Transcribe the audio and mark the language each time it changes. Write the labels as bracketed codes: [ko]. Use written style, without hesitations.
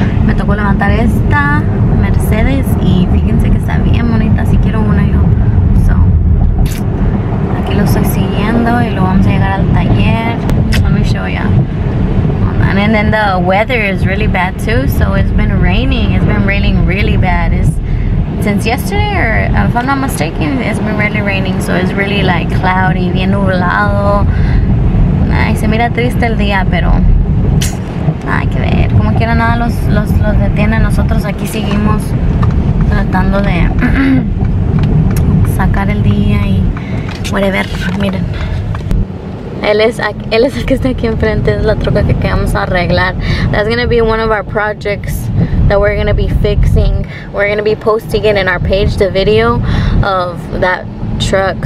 [es] Me tocó levantar esta Mercedes y fíjense que está bien bonita. Si quiero una yo. So, aquí lo estoy siguiendo y luego vamos a llegar al taller. [en] Let me show ya. And then the weather is really bad too. So it's been raining. It's been raining really bad. It's since yesterday, or if I'm not mistaken, it's been really raining. So it's really like cloudy, [es] bien nublado. Ay, se mira triste el día, pero hay que ver. Como quiera nada, los detienen. Nosotros aquí seguimos tratando de sacar el día y whatever. Miren. Él es el que está aquí enfrente, es la troca que vamos a arreglar. [en] That's gonna be one of our projects that we're gonna be fixing. We're gonna be posting it in our page, the video of that truck.